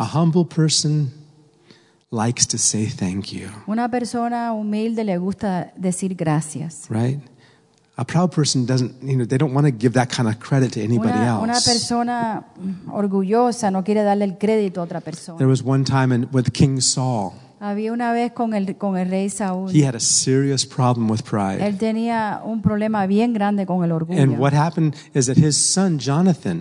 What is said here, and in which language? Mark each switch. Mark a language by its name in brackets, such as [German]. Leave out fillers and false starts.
[English] A humble person likes to say thank you. [Spanish] Una persona humilde le gusta decir gracias. [English] Right? A proud person doesn't, you know, they don't want to give that kind of credit to anybody else. [Spanish] Una persona orgullosa no quiere darle el crédito a otra persona. [English] There was one time with King Saul. [Spanish] Había una vez con el rey Saúl. [English] He had a serious problem with pride. [Spanish] Él tenía un problema bien grande con el orgullo. [English] And what happened is that his son Jonathan,